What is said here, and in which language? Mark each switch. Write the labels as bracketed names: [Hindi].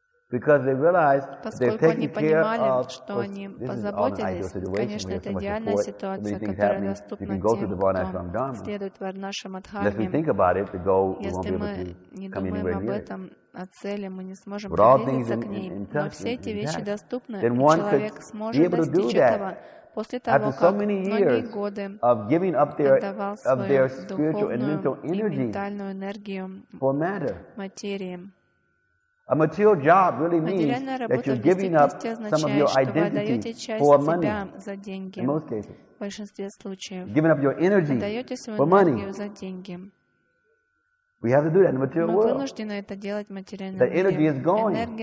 [English] Because they realize they're taking care of this is all an ideal situation. We have so much support, so many things happening. You can go to the Varnashram Dharma. Unless we think about it, the goal we won't be able to come anywhere near it. [Russian] О цели мы не сможем приблизиться к ней, но все эти вещи доступны, и человек сможет достичь этого после того, как многие годы отдавал свою духовную и ментальную энергию материи. [English] A material job really means that you're giving up some of your identity for money. In most cases, giving up your energy for money. We have to do that in the material world. The energy is going.